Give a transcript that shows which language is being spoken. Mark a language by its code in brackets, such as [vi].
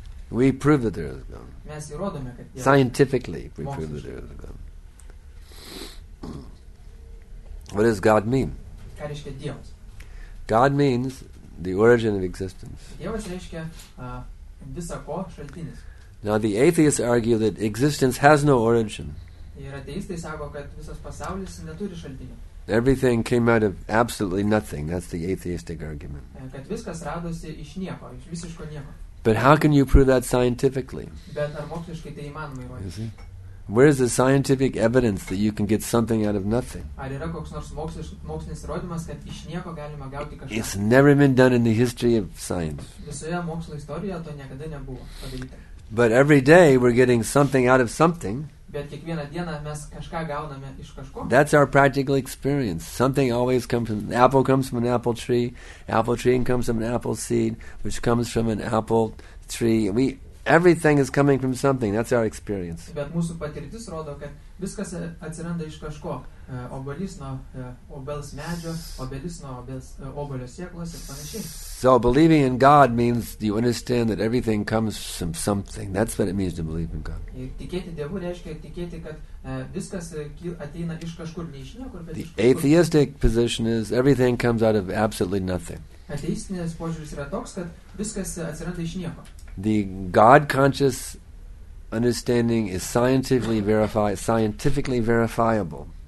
[en] We prove that there is God. [lt] Mes įrodome, kad Dievas. [en] Scientifically, we [lt] Moksiškai. [en] Prove that there is God. What does God mean? [lt] Ką reiškia Dievas? [en] God means the origin of existence. [lt] Dievas reiškia, visa ko šaltinis. [en] Now the atheists argue that existence has no origin. [lt] Ir ateistai sako, kad visas pasaulis neturi šaltinio. [en] Everything came out of absolutely nothing. That's the atheistic argument. [lt] Kad viskas radosi iš nieko, iš visiško nieko. [en] But how can you prove that scientifically? [lt] Bet ar moksliškai tai įmanoma įrodyti? [en] Where is the scientific evidence that you can get something out of nothing? [lt] Ar yra koks nors mokslinis įrodymas, kad iš nieko galima gauti kažką? [en] It's never been done in the history of science. [lt] Visoje mokslo istorijoje to niekada nebuvo padaryta. [en] But every day we're getting something out of something. [lt] Bet kiekvieną dieną mes kažką gauname iš kažko. [en] That's our practical experience. Something always comes from, apple comes from an apple tree comes from an apple seed, which comes from an apple tree. Everything is coming from something. That's our experience. [lt] Bet mūsų patirtis rodo, kad viskas atsiranda iš kažko. Obelis nuo obels medžio, obelis nuo obelio sėklos ir panašiai. [en] So believing in God means you understand that everything comes from something. That's what it means to believe in God. [lt] Tikėti Dievu reiškia tikėti, kad viskas ateina iš kažkur, ne iš niekur. [en] The atheistic position is everything comes out of absolutely nothing. [lt] Ateistinis požiūris yra toks, kad viskas atsiranda iš nieko. [en] The God-conscious understanding is scientifically verifiable.